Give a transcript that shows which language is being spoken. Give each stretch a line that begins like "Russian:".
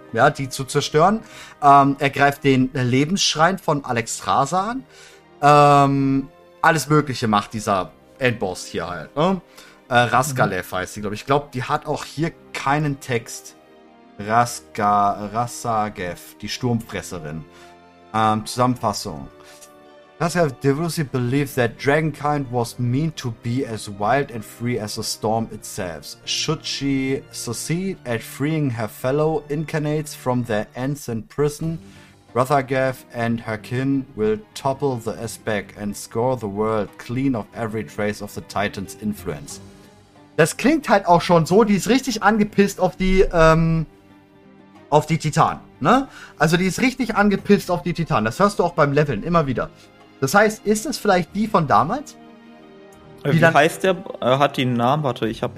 German: Ja, die zu zerstören. Er greift den Lebensschrein von Alexstrasza an. Alles Mögliche macht dieser Endboss hier halt. Ne? Raskalev heißt sie, glaube ich. Ich glaube, die hat auch hier keinen Text. Rassagev, die Sturmfresserin. Zusammenfassung.
English: Thus have devilishly believed that dragonkind was meant to be as wild and free as the storm itself. Should she succeed at freeing her fellow incarnates from their ancient prison, Rathargath and her kin will topple the Aspect and score the world clean of every trace of the Titan's influence.
German: Das klingt halt auch schon so, die ist richtig angepisst auf die Titan, ne? Also die ist richtig angepisst auf die Titan, das hörst du auch beim Leveln immer wieder. Das heißt, ist es vielleicht die von damals? Wie heißt der? Hat die einen Namen? Warte, ich habe